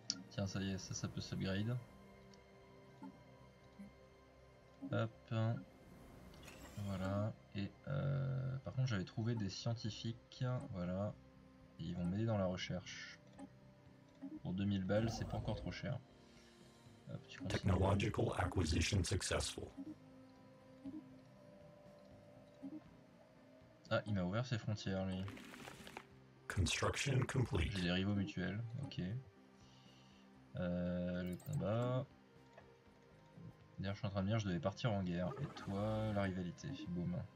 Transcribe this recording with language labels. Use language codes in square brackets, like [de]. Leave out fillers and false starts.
[fr] Tiens, ça y est, ça peut s'upgrade. Hop. Voilà. Et par contre, j'avais trouvé des scientifiques. Voilà. Et ils vont m'aider dans la recherche. Pour 2000 balles, c'est pas encore trop cher. Hop, tu continues. [en] Technological acquisition successful. [fr] Ah, il m'a ouvert ses frontières, lui. [en] Construction [fr] J'ai [en] complete. [fr] des rivaux mutuels, ok. Le combat. D'ailleurs, je suis en train de dire je devais partir en guerre. Et toi, la rivalité, boum.